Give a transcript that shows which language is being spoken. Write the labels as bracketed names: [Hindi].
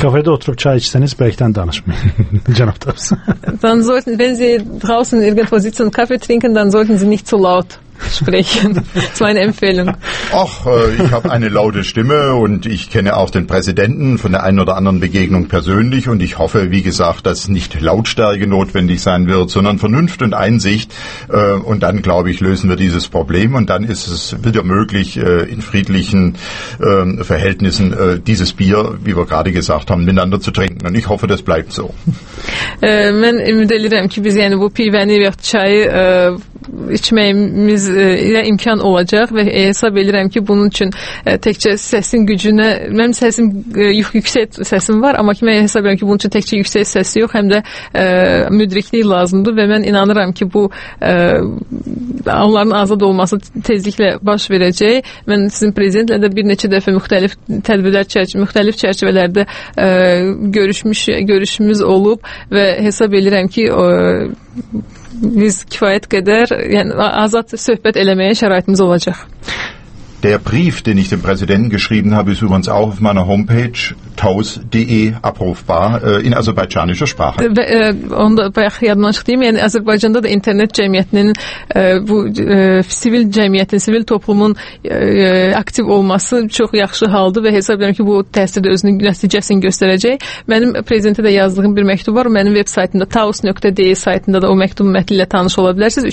[Azerbaijani] Kafədə oturub çay içsəniz, bəlkədən danışmayın, cənab Tavsu. [German] Dann sollten, wenn Sie draußen irgendwo sitzen und Kaffee trinken, dann sollten Sie nicht zu laut sprechen. Das ist meine Empfehlung. Ach, ich habe eine laute Stimme und ich kenne auch den Präsidenten von der einen oder anderen Begegnung persönlich und ich hoffe, wie gesagt, dass nicht Lautstärke notwendig sein wird, sondern Vernunft und Einsicht. Und dann, glaube ich, lösen wir dieses Problem und dann ist es wieder möglich, in friedlichen Verhältnissen dieses Bier, wie wir gerade gesagt haben, miteinander zu trinken. Und ich hoffe, das bleibt so. [Azerbaijani] Mən ümid edirəm ki, biz yəni bu pivəni və çayı içməyimiz ilə imkan olacaq və hesab edirəm ki, bunun üçün təkcə səsin gücünə, mənim səsim yüksək səsim var, amma ki, mən hesab edirəm ki, bunun üçün təkcə yüksək səsi yox, həm də müdriklik lazımdır və mən inanıram ki, bu onların azad olması tezliklə baş verəcək. Mən sizin prezidentlə də bir neçə dəfə müxtəlif tədbirlər müxtəlif çərçivələrdə görüşümüz olub və hesab edirəm ki, biz kifayət qədər, yəni azad söhbət eləməyə şəraitimiz olacaq. [German] Der Brief, den ich dem Präsidenten geschrieben habe, ist übrigens auch auf meiner Homepage taus.de abrufbar in aserbaidschanischer Sprache. Und bei Adnanchtim, in Aserbaidschan, da [Azerbaijani] Internet-Cemiyetinin, bu sivil-cemiyetin, sivil-toplumun aktiv olması çox yaxşı haldır və hesab edirəm ki, bu təsirdə özünün nəticəsini göstərəcək. Mənim prezidentə də yazdığım bir məktub var, mənim web saytımda, taus.de saytında da o məktub mətni ilə tanış ola bilərsiniz.